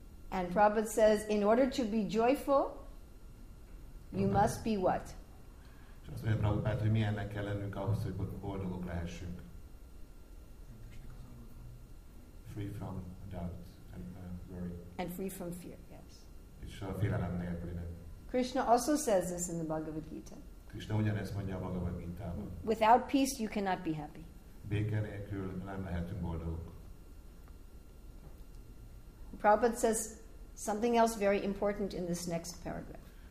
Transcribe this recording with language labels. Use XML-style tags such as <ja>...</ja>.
<en>And Prabhupada says, in order to be joyful, you must be what?</en> <hu>És azt mondja Prabhupád, hogy milyennek kell lennünk ahhoz, hogy boldogok lehessünk.</hu> <en>Free from doubt and worry. And free from fear, yes.</en> <hu>És a félelem nélkülinek.</hu> <en>Krishna also says this in the Bhagavad Gita.</en> <hu>Krishna ugyanezt mondja a Bhagavad Gita-ban.</hu> <en>Without peace you cannot be happy.</en> <hu>Béke nélkül nem lehetünk boldogok.</hu> <en>Prabhupada says something else very important in this next paragraph.</en>